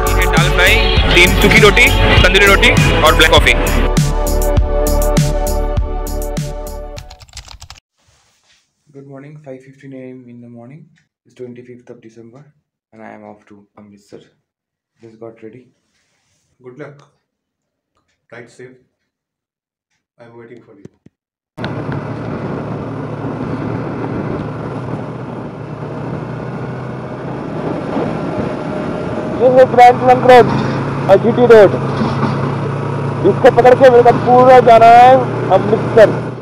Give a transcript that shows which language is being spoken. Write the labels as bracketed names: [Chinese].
[Hindi] दाल fry, तीन सूखी रोटी, तंदूरी रोटी और black coffee. [English] Good morning, 5:15 AM in the morning, 25th of December and I am off to Amritsar. Just got ready. Good luck. Ride safe. I am waiting for you. This is Grand Trunk Road, a GT road. [Hindi] इसको पकड़ के मेरे को पूरा जाना है अमृतसर।